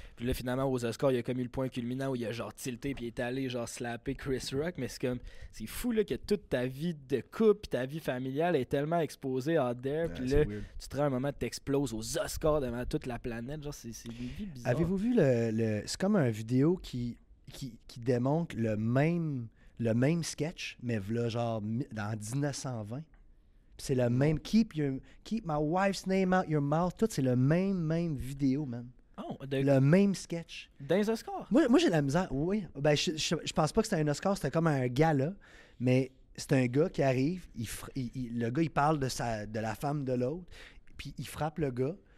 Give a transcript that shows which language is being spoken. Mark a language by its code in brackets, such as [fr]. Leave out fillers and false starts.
[fr] Puis là, finalement, aux Oscars, il y a comme eu le point culminant où il a genre tilté, puis il est allé, genre, slapper Chris Rock, mais c'est comme, c'est fou, là, que toute ta vie de couple, puis ta vie familiale est tellement exposée [en] out there, [fr] puis là, tu te rends un moment, tu exploses aux Oscars devant toute la planète, genre, c'est des vies bizarres. Avez-vous vu le. C'est comme un vidéo qui démontre le même. Le même sketch, mais v'là genre dans 1920. C'est le même. [en] Keep my wife's name out your mouth. [fr] Tout, c'est le même vidéo, man. Le même sketch. Dans les Oscars. Moi, j'ai la misère. Oui. Ben, je pense pas que c'était un Oscar. C'était comme un gala. Mais c'est un gars qui arrive. Le gars, il parle de la femme de l'autre. Puis il frappe le gars.